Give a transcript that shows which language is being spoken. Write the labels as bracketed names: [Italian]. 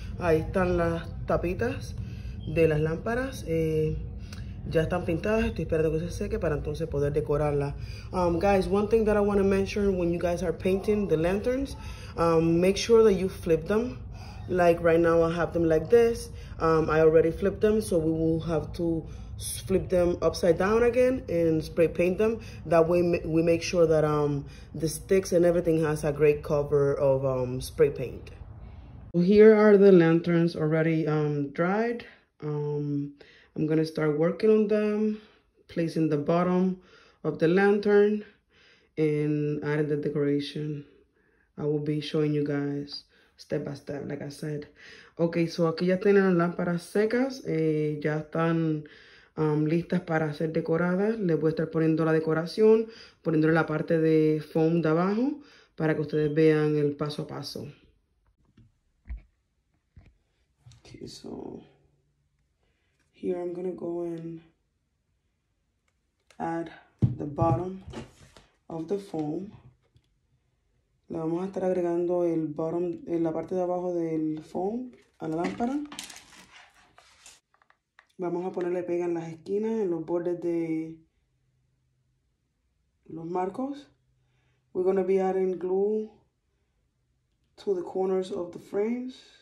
[Spanish] Ahí están las tapitas de las lámparas, ya están pintadas, estoy esperando que se seque para entonces poder decorarla. [English] Guys, one thing that I want to mention when you guys are painting the lanterns, make sure that you flip them. Like right now I have them like this. I already flipped them, so we will have to flip them upside down again and spray paint them. That way we make sure that the sticks and everything has a great cover of spray paint. Well, here are the lanterns already dried. I'm gonna start working on them, placing the bottom of the lantern and adding the decoration. I will be showing you guys step by step, like I said. [Spanish] Okay, so aquí ya tienen las lámparas secas, ya están listas para ser decoradas. Les voy a estar poniendo la decoración, poniéndole la parte de foam de abajo para que ustedes vean el paso a paso. [English] Okay, so here I'm gonna go and add the bottom of the foam. [Spanish] Le vamos a estar agregando el bottom, en la parte de abajo del foam a la lámpara. Vamos a ponerle pega en las esquinas, en los bordes de los marcos. [English] We're gonna be adding glue to the corners of the frames.